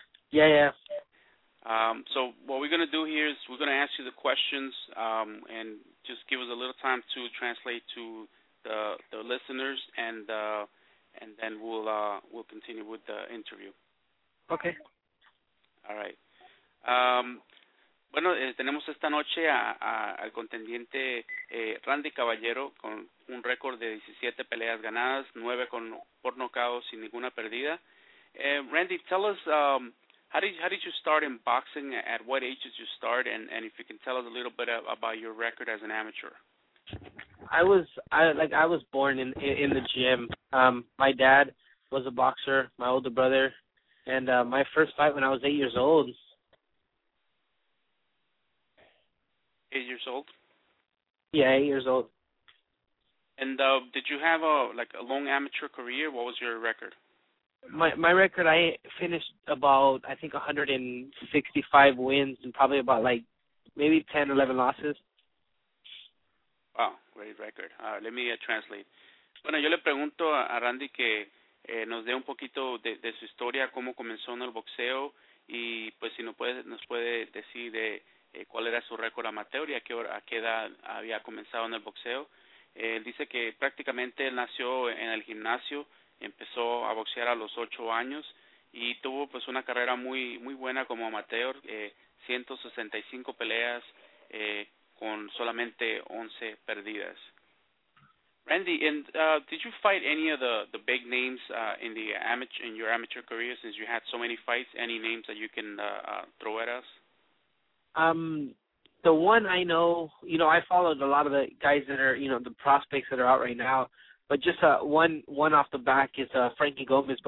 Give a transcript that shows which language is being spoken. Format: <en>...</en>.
<en>Yeah, yeah. So what we're going to do here is we're going to ask you the questions, and just give us a little time to translate to the listeners, and then we'll continue with the interview. Okay. All right.</en> <es>Bueno, tenemos esta noche al contendiente Randy Caballero con un récord de 17 peleas ganadas, 9 por nocaut sin ninguna pérdida.</es> <en>Randy, tell us, how did you start in boxing? At what age did you start? And if you can tell us a little bit about your record as an amateur. I was born in the gym. My dad was a boxer, my older brother, and my first fight when I was 8 years old. 8 years old? Yeah, 8 years old. And did you have a long amateur career? What was your record? My record, I finished about, I think, 165 wins and probably about, like, maybe 10, 11 losses. Wow, great record. Let me translate.</en> <es>Bueno, yo le pregunto a Randy que nos dé un poquito de su historia, cómo comenzó en el boxeo, y pues si nos puede decir de cuál era su récord amateur y a qué edad había comenzado en el boxeo. Él dice que prácticamente él nació en el gimnasio, empezó a boxear a los 8 años y tuvo pues una carrera muy muy buena como amateur, 165 peleas con solamente 11 perdidas.</es> <en>Randy, did you fight any of the big names in your amateur career since you had so many fights? Any names that you can throw at us? The one I know, you know, I followed a lot of the guys that are, you know, the prospects that are out right now, but just one off the back is Frankie Gomez.</en>